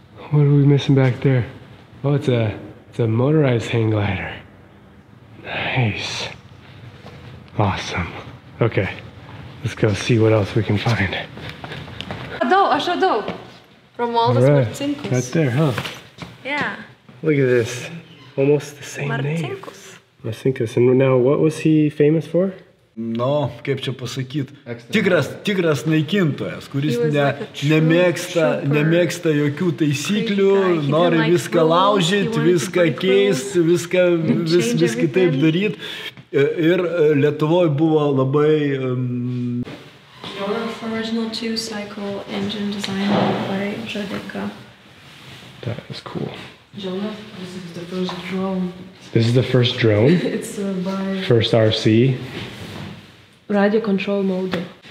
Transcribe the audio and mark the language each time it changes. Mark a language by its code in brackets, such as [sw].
[en] What are we missing back there? Oh, it's a motorized hang glider. Nice. Awesome. Okay, let's go see what else we can find. Ašadau. From all the right. Martinkus. Right there, huh? Yeah. Look at this. Almost the same Martinkus. Name. Asinkas. And now, what was he famous for? [lt] No, kaip čia pasakyt, tikras naikintojas, kuris nemėgsta jokių taisyklių, nori viską laužyti, viską keist, viską vis kitaip daryt. Ir Lietuvoj buvo labai... [en] Original two-cycle engine design by Draco. That is cool. Jonas, this is the first drone. This is the first drone? It's by... First RC. Radio control mode.